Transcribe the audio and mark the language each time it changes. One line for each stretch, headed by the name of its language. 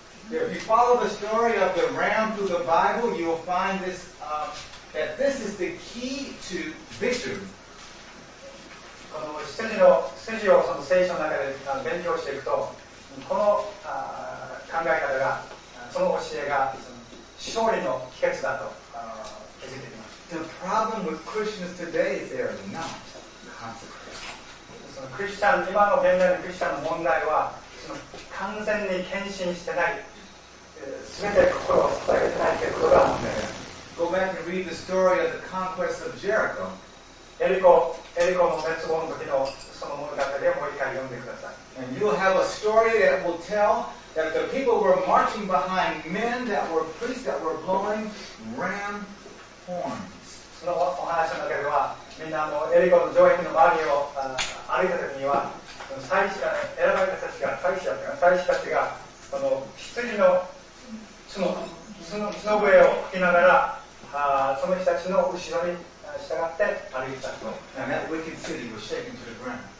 English: If you follow the story of the ram through the Bible, you will find this, that this is the key to victory.
Japanese: この羊をその聖書の中で勉強していくと、この考え方が、その教えが勝利の秘訣だと気づいています。
English: The problem with Christians today is they are not consecrated.
Japanese: クリスチャン、今の現代のクリスチャンの問題は、その完全に献身してない、すべて心を捧げてないということが問題です。
English: Go back and read the story of the conquest of Jericho.
Japanese: エリコの滅亡の時のその物語でもう一回読んでください。
English: And you will have a story that will tell that the people were marching behind men that were priests that were blowing ram horns.
Japanese: そのお話の中では、みんなもエリコの城壁の周りを歩いた時には、祭司が、選ばれた人たちが、祭司たちが、その羊の角笛を吹きながら、その人たちの後ろに従って歩いたと。
English: And that wicked city was shaken to the ground.